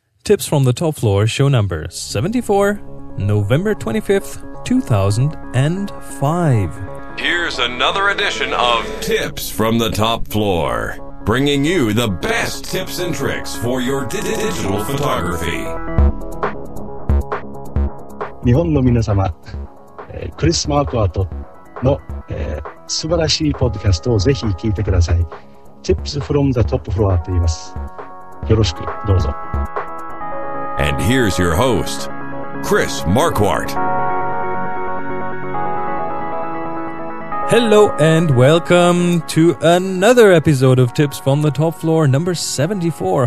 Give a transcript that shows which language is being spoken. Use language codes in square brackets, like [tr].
[en] tips from the top floor, show number 74, November 25th, 2005. Here's another edition of Tips from the Top Floor, bringing you the best tips and tricks for your digital photography. [ja] 日本の皆様、クリス・マークアートの、素晴らしいポッドキャストをぜひ聞いてください。 Tips from the Top Floor と言います。よろしくどうぞ。 [en] And here's your host, Chris Marquardt. Hello and welcome to another episode of Tips from the Top Floor, number 74.